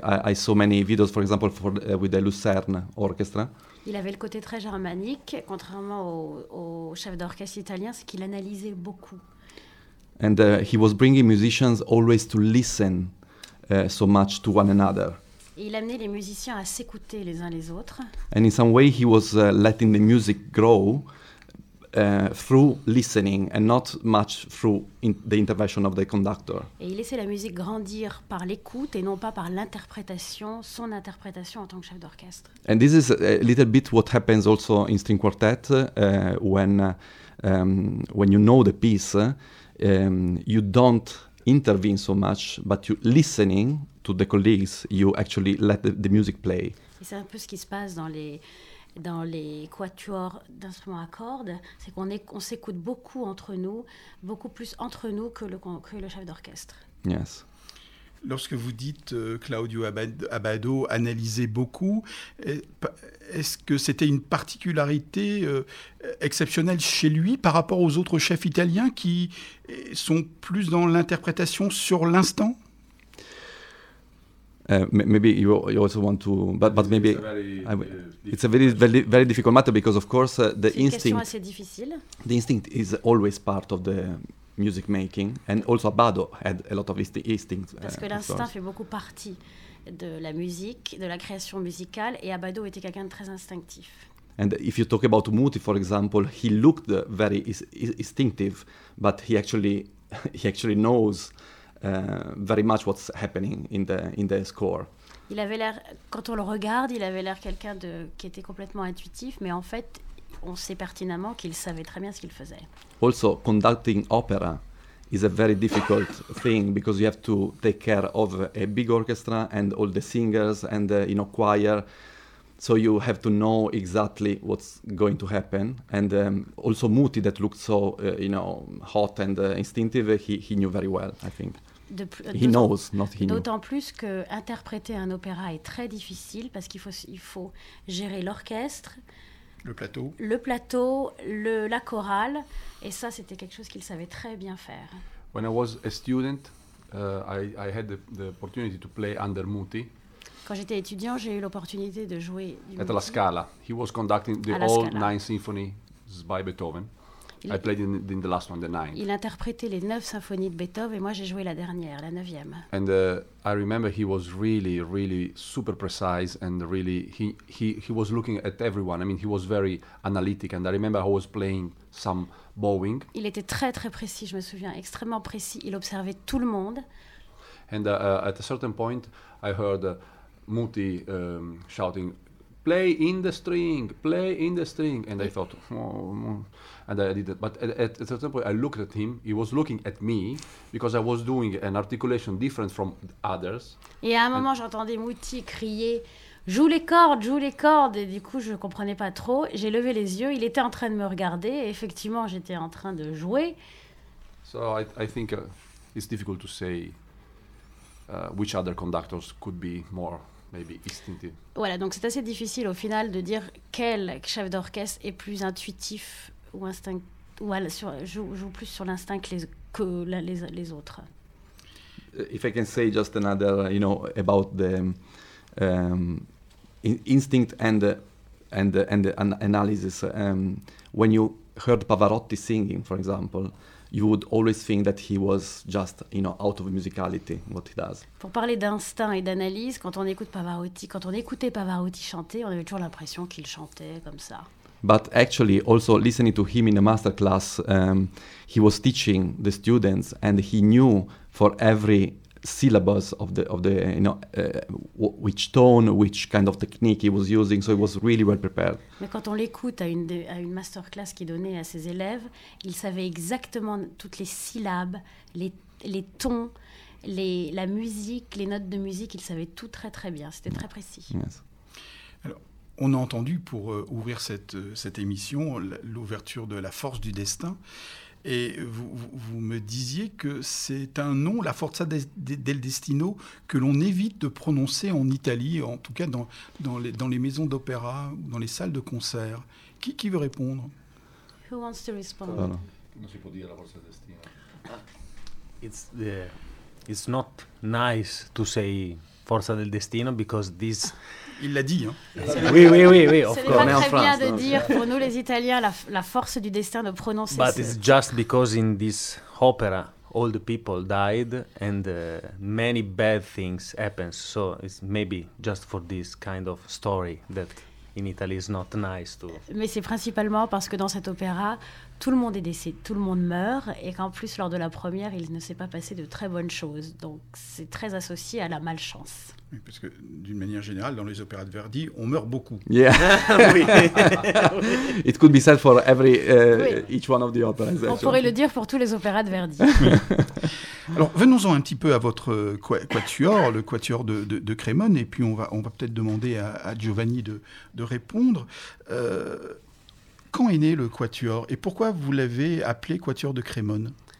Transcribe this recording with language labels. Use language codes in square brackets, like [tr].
[en] I saw many videos, for example, with the Lucerne Orchestra. [fr] Il avait le côté très germanique, contrairement au chef d'orchestre italien, c'est qu'il analysait beaucoup. [en] And he was bringing musicians always to listen so much to one another. [fr] Et il amenait les musiciens à s'écouter les uns les autres. [en] And in some way he was letting the music grow through listening and not much through the intervention of the conductor. [fr] Et il laissait la musique grandir par l'écoute et non pas par l'interprétation, son interprétation en tant que chef d'orchestre. [en] And this is a little bit what happens also in string quartet when you know the piece, you don't intervene so much, but you listening to the colleagues, you actually let the music play. [fr] Et c'est un peu ce qui se passe dans les quatuors d'instruments à cordes, c'est qu'on s'écoute beaucoup entre nous, beaucoup plus entre nous que le chef d'orchestre. [en] Yes. [fr] Lorsque vous dites Claudio Abbado analysait beaucoup, est-ce que c'était une particularité exceptionnelle chez lui par rapport aux autres chefs italiens qui sont plus dans l'interprétation sur l'instant? [en] Maybe you also want to, but it's maybe a very, it's a very, very very difficult matter because of course the [fr] c'est [en] instinct. [fr] Assez difficile. [en] The instinct is always part of the music making, and also Abbado had a lot of instincts. [fr] Parce que l'instinct fait beaucoup partie de la musique, de la création musicale, et Abbado était quelqu'un de très instinctif. [en] And if you talk about Muti, for example, he looked very instinctive, but he actually knows. Very much what's happening in the score. [fr] Il avait l'air, quand on le regarde, il avait l'air quelqu'un qui était complètement intuitif, mais en fait, on sait pertinemment qu'il savait très bien ce qu'il faisait. [en] Also, conducting opera is a very difficult thing because you have to take care of a big orchestra and all the singers and you know, choir. So you have to know exactly what's going to happen. And also Muti, that looked so you know, hot and instinctive, he knew very well, I think. [fr] D'autant plus que interpréter un opéra est très difficile parce qu'il faut gérer l'orchestre, le plateau, la chorale, et ça c'était quelque chose qu'il savait très bien faire. [en] When I was a student, I had the opportunity to play under Muti. [fr] Quand j'étais étudiant, j'ai eu l'opportunité de jouer du Muti. [en] At La Scala. He was conducting the all nine symphonies by Beethoven. I played in the last one, the ninth. [fr] Il interprétait les 9 symphonies de Beethoven et moi j'ai joué la dernière, la 9e. [en] And I remember he was really, really super precise and really he was looking at everyone. I mean, he was very analytic. And I remember I was playing some bowing. [fr] Il était très très précis. Je me souviens, extrêmement précis. Il observait tout le monde. [en] And at a certain point, I heard Muti shouting, "Play in the string, play in the string." And I thought, oh, and I did it. But at a certain point, I looked at him. He was looking at me because I was doing an articulation different from others. [fr] Et à un moment, j'entendais Muti crier, "Joue les cordes, joue les cordes." Et du coup, je ne comprenais pas trop. J'ai levé les yeux. Il était en train de me regarder. Et effectivement, j'étais en train de jouer. [en] So I think it's difficult to say which other conductors could be more. Maybe instinctive. [fr] Voilà, donc c'est assez difficile au final de dire quel chef d'orchestre est plus intuitif ou joue plus sur l'instinct que les autres. [en] If I can say just another, you know, about the instinct and analysis. When you heard Pavarotti singing, for example, you would always think that he was just, you know, out of musicality, what he does. [fr] Pour parler d'instinct et d'analyse, quand on écoutait Pavarotti chanter, on avait toujours l'impression qu'il chantait comme ça. [en] But actually, also listening to him in a masterclass, he was teaching the students, and he knew for every syllables of the you know which tone, which kind of technique he was using, so he was really well prepared. [fr] Mais quand on l'écoute à une masterclass qu'il donnait à ses élèves, il savait exactement toutes les syllabes, les tons, la musique, les notes de musique, il savait tout très très bien, c'était très précis. [en] Yes. [fr] Alors, on a entendu pour ouvrir cette émission l'ouverture de La Force du Destin. Et vous me disiez que c'est un nom, la Forza del Destino, que l'on évite de prononcer en Italie, en tout cas dans les maisons d'opéra, dans les salles de concert. Qui veut répondre? [en] Who wants to respond? [fr] Non, c'est pour dire la Forza del Destino. [en] It's not nice to say Forza del Destino because this... [fr] Il l'a dit, hein. Oui, [en] of course. [fr] C'est pas très bien de dire pour nous les Italiens la force du destin de prononcer ça. [en] But it's just because in this opera all the people died and many bad things happened. So it's maybe just for this kind of story that in Italy is not nice to. [fr] Mais c'est principalement parce que dans cet opéra tout le monde est décédé, tout le monde meurt, et qu'en plus lors de la première il ne s'est pas passé de très bonnes choses. Donc c'est très associé à la malchance. Oui, parce que d'une manière générale, dans les opéras de Verdi, on meurt beaucoup. [en] Yeah. It could be said for every each one of the operas. [fr] On pourrait le dire pour tous les opéras de Verdi. Alors venons-en un petit peu à votre quatuor, le quatuor de Crémone, et puis on va peut-être demander à Giovanni de répondre. Quand est né le quatuor et pourquoi vous l'avez appelé quatuor de Crémone?